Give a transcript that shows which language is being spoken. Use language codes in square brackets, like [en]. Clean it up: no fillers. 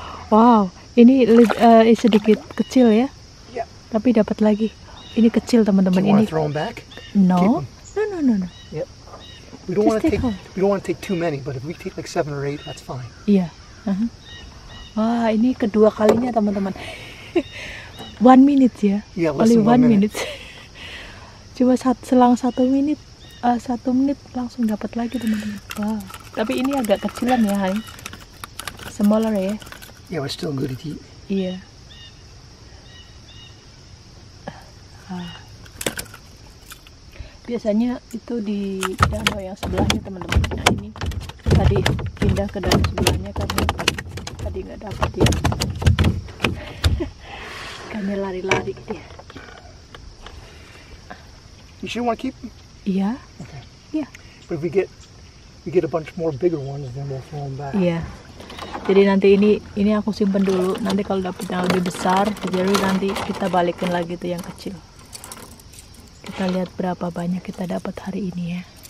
[id] Wow, ini sedikit kecil ya. [en] Yeah. [id] Tapi dapat lagi. Ini kecil, teman-teman. Ini. [en] Throw them back? No. No. Yep. We don't want to take home. We don't want to take too many, but if we take like 7 or 8, that's fine. [id] Iya. Yeah. Uh-huh. Wah, ini kedua kalinya, teman-teman. [en] 1 minute ya. Yeah, less than 1 minute. [id] Cuma selang 1 menit langsung dapat lagi, teman-teman. Wow. Tapi ini agak kecilan ya, hai. [en] Smaller ya. Yeah, we're still good to eat. [id] Iya. Biasanya itu di danau yang sebelahnya, teman-teman. Nah, ini tadi pindah ke danau sebelahnya karena tadi nggak dapat ya. Kami lari-lari dia. Ya. [en] You sure want to keep? Yeah. Okay. Yeah. But if we get a bunch more bigger ones, then we'll throw them back. Yeah. [id] Jadi nanti ini aku simpen dulu. Nanti kalau dapat yang lebih besar, jadi nanti kita balikin lagi tuh yang kecil. Kita lihat berapa banyak kita dapat hari ini ya.